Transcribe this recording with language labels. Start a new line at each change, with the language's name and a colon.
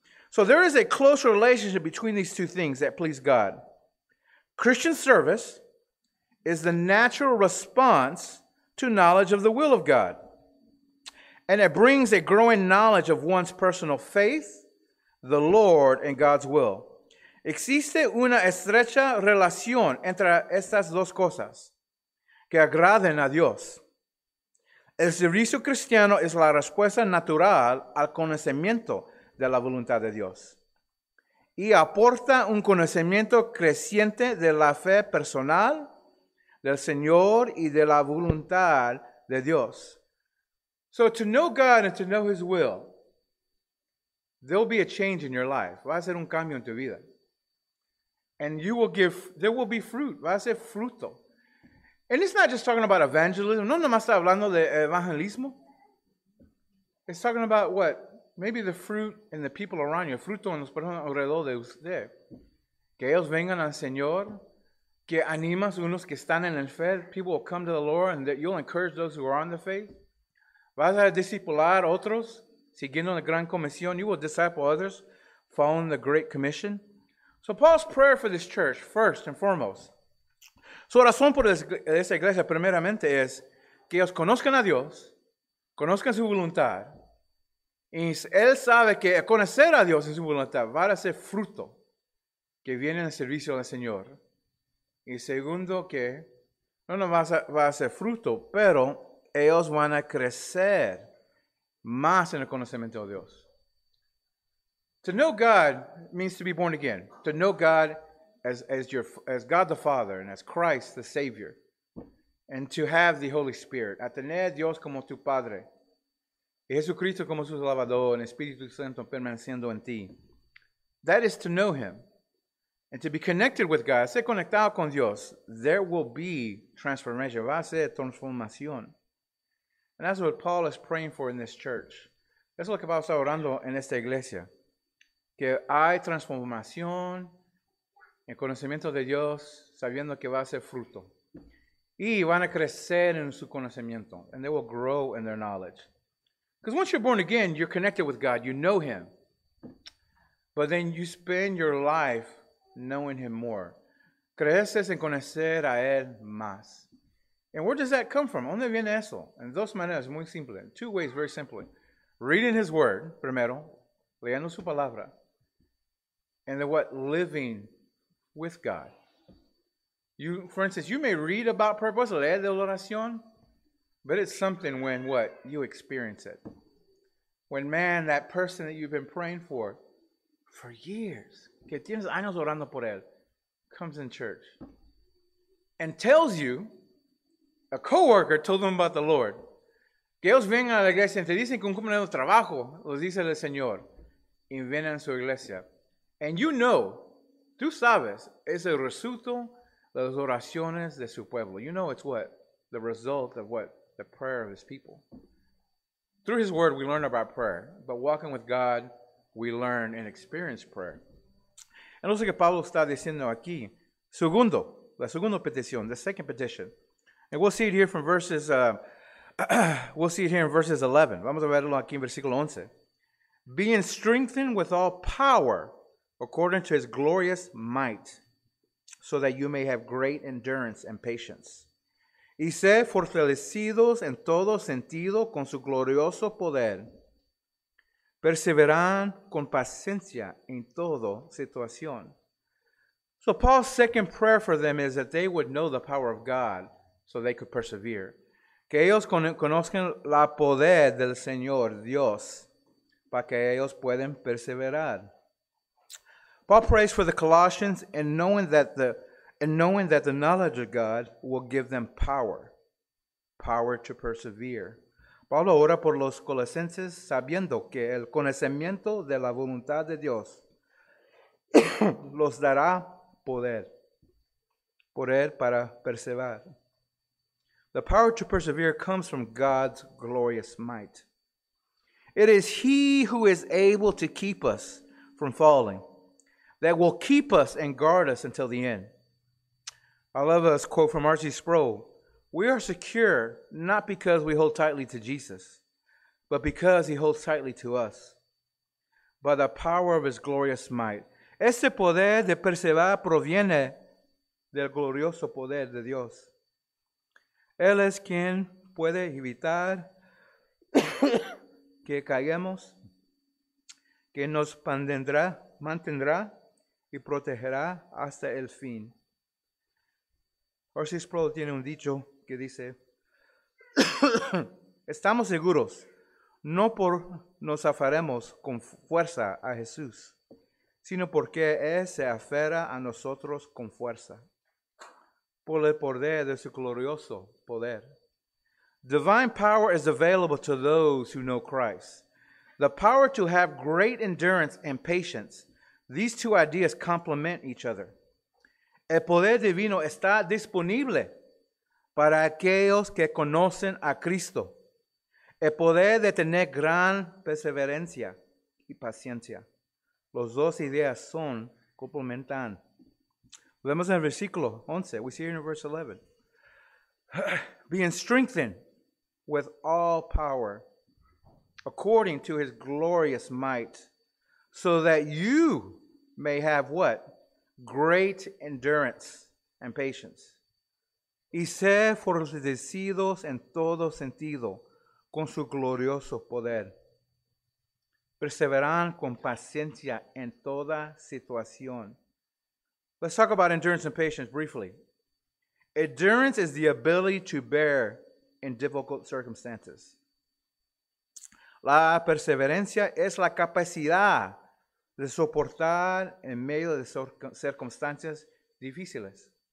English: So there is a close relationship between these two things that please God. Christian service is the natural response to knowledge of the will of God. And it brings a growing knowledge of one's personal faith, the Lord, and God's will.
Spanish: Existe una estrecha relación entre estas dos cosas que agraden a Dios. El servicio cristiano es la respuesta natural al conocimiento de la voluntad de Dios y aporta un conocimiento creciente de la fe personal, del Señor y de la voluntad de Dios.
English: So to know God and to know His will, there will be a change in your life.
Spanish: Va a ser un cambio en tu vida.
English: And you will give, there will be fruit.
Spanish: Va a ser fruto.
English: And it's not just talking about evangelism.
Spanish: No, no más está hablando de evangelismo.
English: It's talking about what? Maybe the fruit in the people around you.
Spanish: Fruto en los personas alrededor de usted. Que ellos vengan al Señor. Que animas unos que están en el fe.
English: People will come to the Lord and that you'll encourage those who are on the faith.
Spanish: Vas a discipular otros. Siguiendo la gran comisión.
English: You will disciple others. Following the great commission. So Paul's prayer for this church, first and foremost.
Spanish: Su oración por esta iglesia primeramente es que ellos conozcan a Dios, conozcan su voluntad, y él sabe que conocer a Dios y su voluntad va a ser fruto que viene en el servicio del Señor. Y segundo, que no nomás va a ser fruto, pero ellos van a crecer más en el conocimiento de Dios.
English: To know God means to be born again. To know God as God the Father and as Christ the Savior. And to have the Holy Spirit.
Spanish: A tener Dios como tu Padre. Y Jesucristo como su Salvador en Espíritu Santo permaneciendo en ti.
English: That is to know Him. And to be connected with God.
Spanish: Ser conectado con Dios.
English: There will be transformation.
Spanish: Va a ser transformación.
English: And that's what Paul is praying for in this church.
Spanish: Eso es lo que Pablo está orando en esta iglesia. Que hay transformación en conocimiento de Dios, sabiendo que va a ser fruto. Y van a crecer en su conocimiento.
English: And they will grow in their knowledge. Because once you're born again, you're connected with God. You know Him. But then you spend your life knowing Him more.
Spanish: Creces en conocer a Él más.
English: And where does that come from?
Spanish: ¿Dónde viene eso? En dos maneras, muy simple.
English: Two ways, very simply. Reading His Word,
Spanish: primero. Leyendo su palabra.
English: And then what? Living with God. You, for instance, you may read about purpose,
Spanish: leer de oración,
English: but it's something when what? You experience it. When man, that person that you've been praying for years,
Spanish: que tienes años orando por él,
English: comes in church and tells you, a co-worker told them about the Lord.
Spanish: Que ellos vengan a la iglesia y te dicen que un compañero de trabajo los dice el Señor y vienen a su iglesia.
English: And you know,
Spanish: tú sabes, es el resultado de las oraciones de su pueblo.
English: You know it's what? The result of what? The prayer of His people. Through His word, we learn about prayer. But walking with God, we learn and experience prayer.
Spanish: Entonces, que Pablo está diciendo aquí, segundo, la segunda petición,
English: the second petition. And we'll see it here from verses, we'll see it here in verses 11.
Spanish: Vamos a verlo aquí en versículo 11.
English: Being strengthened with all power, according to His glorious might, so that you may have great endurance and patience.
Spanish: Y ser fortalecidos en todo sentido con su glorioso poder. Perseverar con paciencia en todo situación.
English: So Paul's second prayer for them is that they would know the power of God so they could persevere.
Spanish: Que ellos conozcan la poder del Señor Dios para que ellos puedan perseverar.
English: Paul prays for the Colossians and knowing that the knowledge of God will give them power to persevere.
Spanish: Pablo ora por los colosenses sabiendo que el conocimiento de la voluntad de Dios los dará poder. Poder para perseverar.
English: The power to persevere comes from God's glorious might. It is He who is able to keep us from falling, that will keep us and guard us until the end. I love this quote from R.C. Sproul. We are secure not because we hold tightly to Jesus, but because He holds tightly to us. By the power of His glorious might.
Spanish: Ese poder de perseverar proviene del glorioso poder de Dios. Él es quien puede evitar que caigamos, que nos mantendrá y protegerá hasta el fin. R.C. Sproul tiene un dicho que dice, estamos seguros, no por nos aferremos con fuerza a Jesús, sino porque Él se aferra a nosotros con fuerza, por el poder de su glorioso poder.
English: Divine power is available to those who know Christ. The power to have great endurance and patience, these two ideas complement each other.
Spanish: El poder divino está disponible para aquellos que conocen a Cristo. El poder de tener gran perseverancia y paciencia. Los dos ideas son complementan. Vemos en el versículo 11.
English: We see it in verse 11. Being strengthened with all power according to His glorious might, so that you may have what? Great endurance and patience.
Spanish: Y ser fortalecidos en todo sentido con su glorioso poder. Perseverar con paciencia en toda situación.
English: Let's talk about endurance and patience briefly. Endurance is the ability to bear in difficult circumstances.
Spanish: La perseverancia es la capacidad de soportar en medio de circunstancias difíciles.